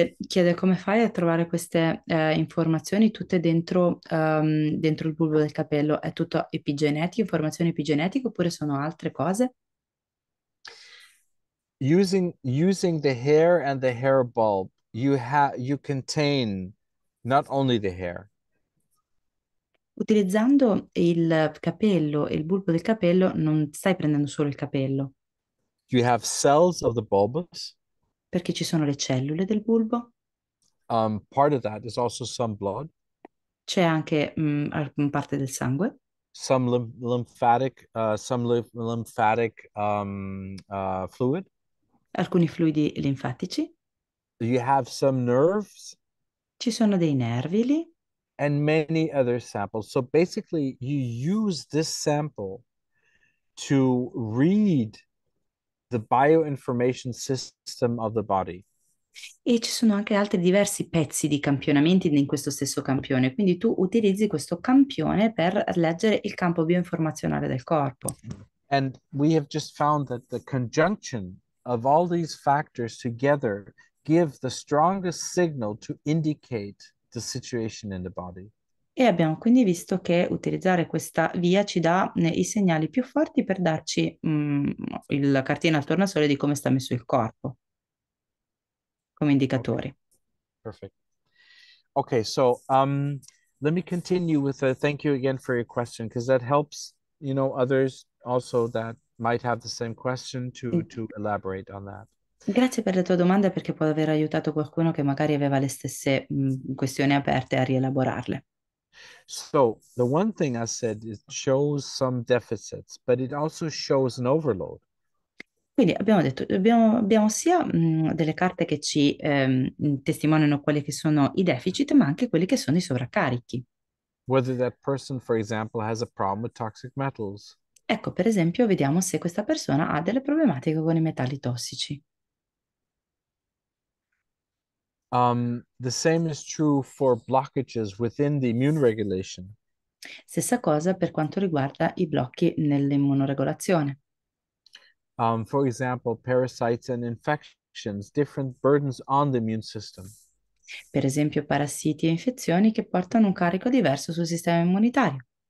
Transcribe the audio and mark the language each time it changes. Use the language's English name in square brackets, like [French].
[Italian] chiede come fai a trovare queste informazioni tutte dentro il bulbo del capello? È tutto epigenetico, informazioni epigenetiche oppure sono altre cose? [English] Using the hair and the hair bulb, you contain not only the hair. [Italian] Utilizzando il capello e il bulbo del capello, non stai prendendo solo il capello. [English] You have cells of the bulbus. [Italian] Perché ci sono le cellule del bulbo. [English] Part of that is also some blood, [Italian] C'è anche parte del sangue. [English] some lymphatic fluid. [Italian] Alcuni fluidi linfatici. Ci [English] You have some nerves [Italian] sono dei nervi lì. [English] and many other samples. So basically, you use this sample to read the bioinformation system of the body. [Italian] E ci sono anche altri diversi pezzi di campionamenti in questo stesso campione, quindi tu utilizzi questo campione per leggere il campo bioinformazionale del corpo. [English] And we have just found that the conjunction of all these factors together give the strongest signal to indicate the situation in the body. [Italian] E abbiamo quindi visto che utilizzare questa via ci dà i segnali più forti per darci la cartina al tornasole di come sta messo il corpo. Come indicatori. [English] perfect. Okay, so let me continue with a thank you again for your question, because that helps, others also that might have the same question to elaborate on that. [Italian] Grazie per la tua domanda perché può aver aiutato qualcuno che magari aveva le stesse questioni aperte a rielaborarle. [English] So the one thing I said is shows some deficits, but it also shows an overload. [Italian] Quindi abbiamo detto, abbiamo sia delle carte che ci testimoniano quelli che sono i deficit, ma anche quelli che sono i sovraccarichi. Ecco, [English] Whether that person, for example, has a problem with toxic metals. [Italian] per esempio, vediamo se questa persona ha delle problematiche con i metalli tossici. [English] The same is true for blockages within the immune regulation. [Italian] Stessa cosa per quanto riguarda i blocchi nell'immunoregolazione. [English] For example, parasites and infections, different burdens on the immune system. [Italian] Per esempio, parassiti e infezioni che portano un carico diverso sul sistema immunitario.